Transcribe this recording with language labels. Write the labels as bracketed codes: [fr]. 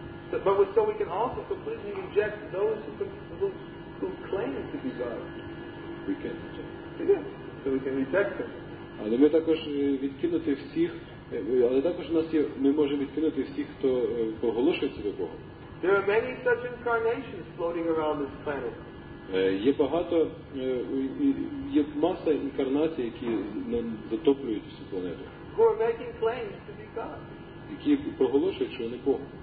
[en] But so we can also completely reject those who claim to be God. We can. Yes. So we can reject them. [uk] Але ми також відкинути всіх, Але також нас є, ми можемо відкинути всіх, хто поголошує себе Богом. [en] There are many such incarnations floating around this planet. [uk] Є багато, є маса інкарнацій, які затоплюють цю планету. [en] Who are making claims to be God. [uk] Які проголошують, що вони Бог.